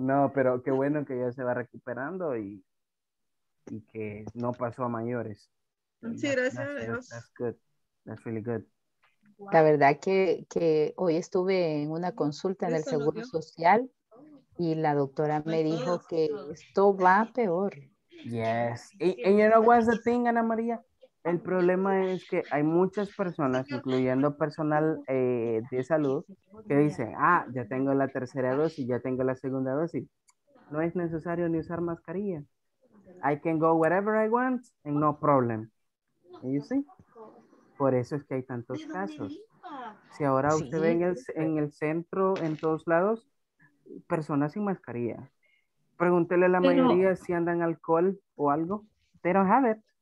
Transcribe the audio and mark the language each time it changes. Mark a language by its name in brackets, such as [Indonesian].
[Spanish] No, pero qué bueno que ya se va recuperando y que no pasó a mayores. Sí, gracias a Dios. [English] That's really good. [Spanish] La verdad que hoy estuve en una consulta en el Seguro Social y la doctora me dijo que esto va peor. [English] Yes. And you know what's the thing, Ana María? [Spanish] El problema es que hay muchas personas, incluyendo personal de salud, que dicen, ah, ya tengo la tercera dosis, ya tengo la segunda dosis. No es necesario ni usar mascarilla. [English] I can go wherever I want and no problem. You see? [Spanish] Por eso es que hay tantos casos. Si ahora usted ve en el centro, en todos lados, personas sin mascarilla. Pregúntele a la mayoría si andan alcohol o algo. [English] They don't have it.